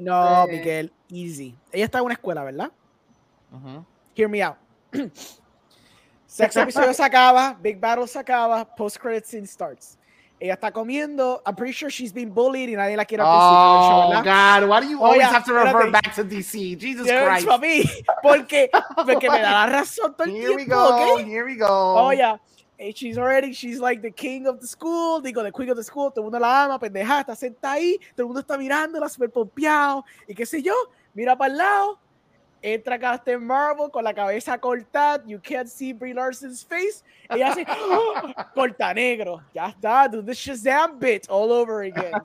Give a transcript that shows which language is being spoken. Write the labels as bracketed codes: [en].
[es] No, Miguel. Easy. Ella está en una escuela, ¿verdad? [en] Hear me out. [es] Sexto episodio se acaba. [en] Big battle [es] se acaba. [en] Post credit scene starts. [es] Ella está comiendo. [en] I'm pretty sure she's been bullied [es] y nadie la quiere. [en] Oh, God. Why do you always have to revert back to DC? Jesus Christ. For me. [es] Porque me da la razón todo el tiempo. [en] Here we go. Okay? Here we go. Oh, yeah. And she's like the king of the school. [es] Digo, [en] the queen of the school. [es] Todo el mundo la ama, pendeja. Está sentada ahí. Todo el mundo está mirándola, súper pompeado. Y qué sé yo. Mira para el lado. entra Captain Marvel con la cabeza cortada. [en] You can't see Brie Larson's face. [es] Ella hace, corta negro. Ya está, [en] do the Shazam bit all over again.